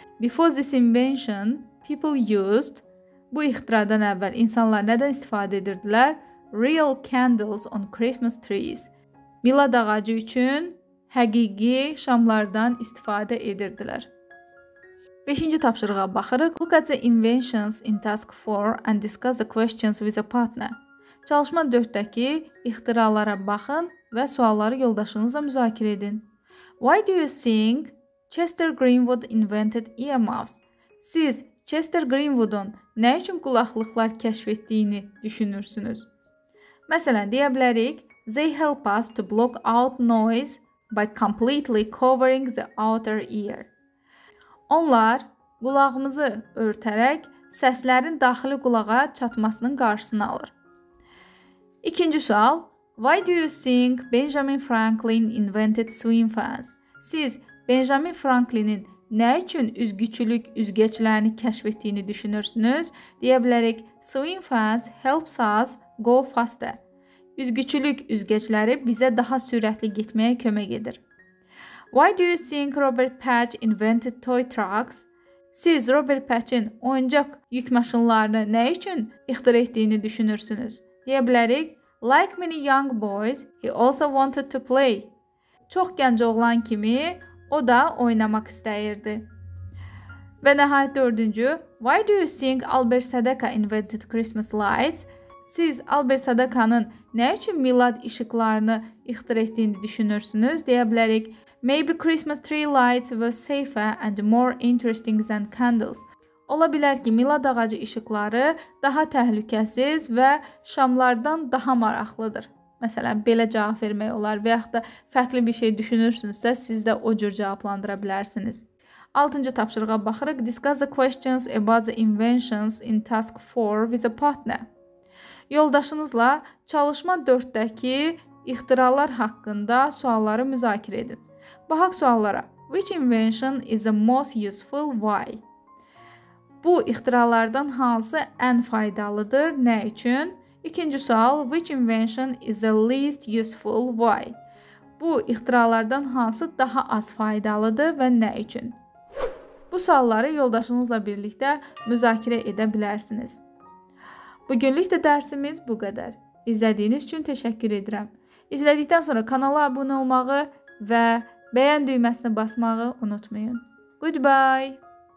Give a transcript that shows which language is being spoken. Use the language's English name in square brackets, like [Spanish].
[English] Before this invention, people used [Azerbaijani] bu ixtiradan əvvəl insanlar nədən istifadə edirdilər? [English] Real candles on Christmas trees. [Azerbaijani] Milad ağacı üçün həqiqi şamlardan istifadə edirdilər. 5-ci tapşırığa baxırıq. [English] Look at the inventions in task 4 and discuss the questions with a partner. [Azerbaijani] Çalışma 4-dəki ixtiralara baxın və sualları yoldaşınızla müzakirə edin. [English] Why do you think Chester Greenwood invented earmuffs? [Azerbaijani] Siz Chester Greenwood'un nə üçün qulaqlıqlar kəşf etdiyini düşünürsünüz? Məsələn, deyə bilərik, [English] they help us to block out noise by completely covering the outer ear. [Azerbaijani] Onlar qulağımızı örtərək səslərin daxili qulağa çatmasının qarşısını alır. İkinci sual, [English] why do you think Benjamin Franklin invented swim fans? [Azerbaijani] Siz Benjamin Franklin'in nə üçün üzgüçülük üzgəçlərini kəşf etdiyini düşünürsünüz? Deyə bilərik, [English] swim fans helps us go faster. [Azerbaijani] Üzgüçülük üzgəçləri bizə daha sürətli getməyə kömək edir. [English] Why do you think Robert Patch invented toy trucks? [Azerbaijani] Siz Robert Patch'in oyuncaq yük maşınlarını nə üçün ixtira etdiyini düşünürsünüz? Deyə bilərik, [English] like many young boys, he also wanted to play. [Azerbaijani] Çox gənc oğlan kimi o da oynamaq istəyirdi. Və nəhayət dördüncü, [English] why do you think Albert Sadaka invented Christmas lights? [Azerbaijani] Siz Albert Sadaka'nın nə üçün milad işıqlarını ixtira etdiyini düşünürsünüz? Deyə bilərik, [English] maybe Christmas tree lights were safer and more interesting than candles. [Azerbaijani] Ola bilər ki, milad ağacı işıqları daha təhlükəsiz və şamlardan daha maraqlıdır. Məsələn, belə cavab vermək olar və yaxud da fərqli bir şey düşünürsünüzsə, siz də o cür cavablandıra bilərsiniz. 6-cı tapşırığa baxırıq. [English] Discuss the questions about the inventions in task 4 with a partner. [Azerbaijani] Yoldaşınızla çalışma 4-dəki ixtiralar haqqında sualları müzakirə edin. Baxaq suallara. [English] Which invention is the most useful? Why? [Azerbaijani] Bu ixtiralardan hansı ən faydalıdır? Nə üçün? İkinci sual. [English] Which invention is the least useful? Why? [Azerbaijani] Bu ixtiralardan hansı daha az faydalıdır və nə üçün? Bu sualları yoldaşınızla birlikdə müzakirə edə bilərsiniz. Bugünlük də dərsimiz bu qədər. İzlədiyiniz üçün təşəkkür edirəm. İzlədikdən sonra kanala abunə olmağı və bəyən düyməsini basmağı unutmayın. [English] Goodbye!